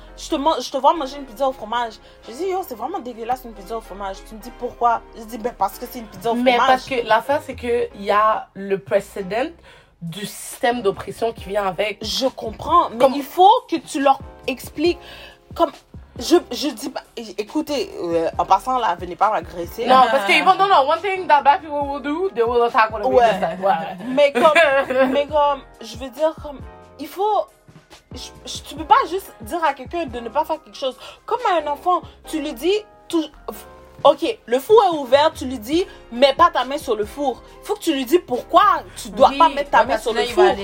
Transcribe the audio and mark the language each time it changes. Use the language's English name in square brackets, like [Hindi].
[French] Je te vois manger une pizza au fromage. Je dis, yo, c'est vraiment dégueulasse une pizza au fromage. Tu me dis pourquoi? Je dis, ben parce que c'est une pizza au fromage. Mais parce que l'affaire, c'est qu'il y a le précédent du système d'oppression qui vient avec. Je comprends. Mais comme... il faut que tu leur expliques. Comme... Je dis, écoutez, en passant là, venez pas m'agresser. Non, parce que, non, [English] one thing that black people will do, they will attack one of me. [French] Ouais. Mais comme, je veux dire, comme, il faut. Tu peux pas juste dire à quelqu'un de ne pas faire quelque chose. Comme à un enfant, tu lui dis, ok, le four est ouvert, tu lui dis, mets pas ta main sur le four. Il faut que tu lui dis pourquoi tu dois pas mettre ta main sur le four.